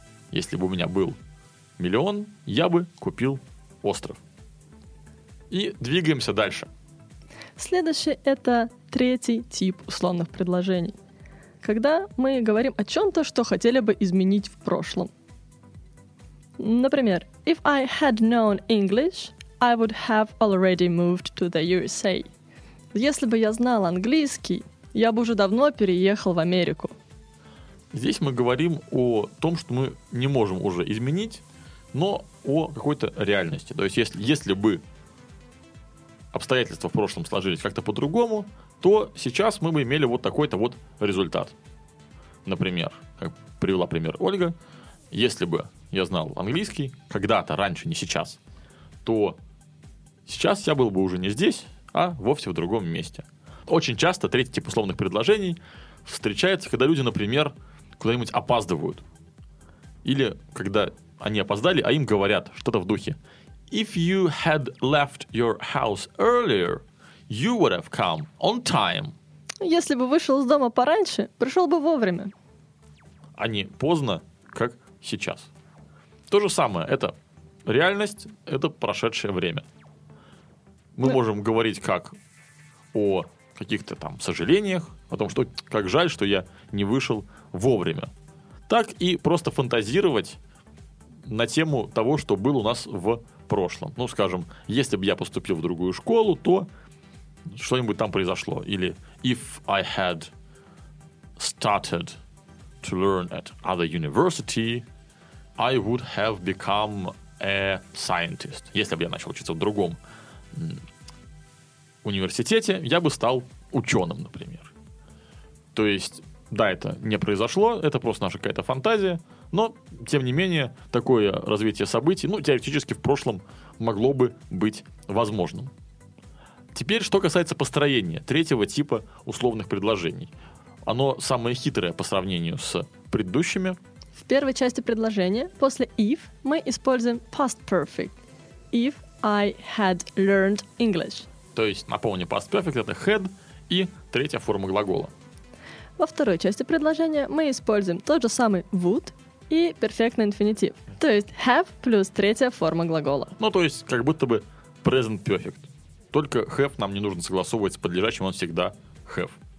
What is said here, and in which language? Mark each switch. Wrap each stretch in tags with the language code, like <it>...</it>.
<ru>Если бы у меня был миллион, я бы купил остров. И двигаемся дальше. Следующий — это третий тип условных предложений. Когда мы говорим о чем-то, что хотели бы изменить в прошлом. Например,</ru> <en>if I had known English, I would have already moved to the USA.</en> <ru>Если бы я знал английский, я бы уже давно переехал в Америку. Здесь мы говорим о том, что мы не можем уже изменить, но о какой-то реальности. То есть, если бы обстоятельства в прошлом сложились как-то по-другому, то сейчас мы бы имели вот такой-то вот результат. Например, как привела пример Ольга, если бы я знал английский когда-то, раньше, не сейчас, то сейчас я был бы уже не здесь, а вовсе в другом месте. Очень часто третий тип условных предложений встречается, когда люди, например, куда-нибудь опаздывают. Или когда они опоздали, а им говорят что-то в духе:</ru> <en>if you had left your house earlier, you would have come on time.</en> <ru>Если бы вышел из дома пораньше, пришел бы вовремя. А не поздно, как сейчас. То же самое, это реальность, это прошедшее время. Мы можем говорить как о каких-то там сожалениях, о том, что как жаль, что я не вышел вовремя. Так и просто фантазировать на тему того, что было у нас в прошлом. Ну, скажем, если бы я поступил в другую школу, то что-нибудь там произошло. Или</ru> <en>if I had started to learn at other university, I would have become a scientist.</en> <ru>Если бы я начал учиться в другом университете, я бы стал ученым, например. То есть, да, это не произошло, это просто наша какая-то фантазия, но, тем не менее, такое развитие событий, ну, теоретически, в прошлом могло бы быть возможным. Теперь, что касается построения третьего типа условных предложений. Оно самое хитрое по сравнению с предыдущими. В первой части предложения, после if, мы используем past perfect.</ru> <en>If I had learned English.</en> <ru>То есть, напомню, past perfect — это had и третья форма глагола. Во второй части предложения мы используем тот же самый would и перфектный инфинитив. То есть have плюс третья форма глагола. Ну, то есть, как будто бы present perfect. Только have нам не нужно согласовывать с подлежащим, он всегда have.</ru>